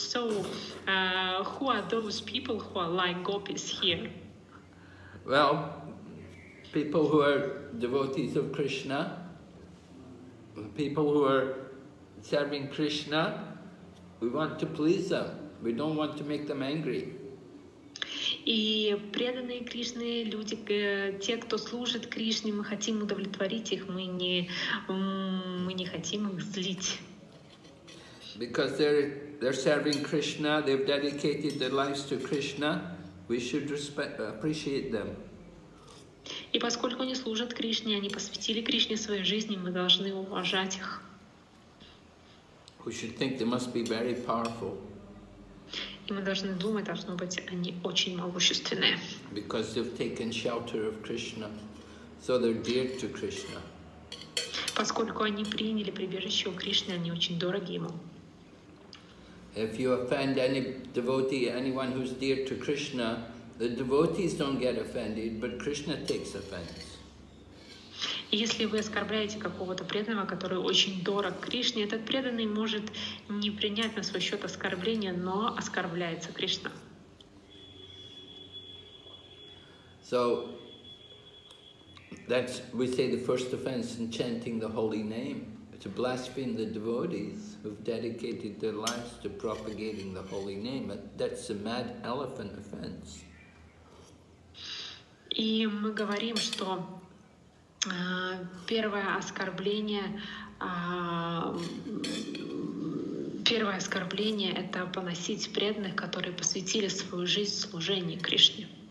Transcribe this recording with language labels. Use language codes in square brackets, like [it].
[en] So, who are those people who are like gopis here? Well, people who are devotees of Krishna, people who are serving Krishna, we want to please them. We don't want to make them angry. [ru] И преданные Кришне люди, те, кто служит Кришне, мы хотим удовлетворить их, мы не хотим их злить. [en] Because they're serving Krishna, they've dedicated their lives to Krishna, we should appreciate them. [ru] И поскольку они служат Кришне, они посвятили Кришне свою жизнь, мы должны уважать их. [en] We should think they must be very powerful. [ru] И мы должны думать, должно быть, они очень могущественные. [en] Because they've taken shelter of Krishna, so they're dear to Krishna. [ru] Поскольку они приняли прибежище у Кришны, они очень дороги ему. [en] If you offend any devotee, anyone who's dear to Krishna, the devotees don't get offended, but Krishna takes offense. [ru] Если вы оскорбляете какого-то преданного, который очень дорог Кришне, этот преданный может не принять на свой счет оскорбление, но оскорбляется Кришна. [en] So that's we say the first offense in chanting the holy name, to blaspheme the devotees who've dedicated their lives to propagating the holy name. That's a mad elephant offense. [ru] И мы говорим, что первое оскорбление — это поносить преданных, которые посвятили свою жизнь служению Кришне.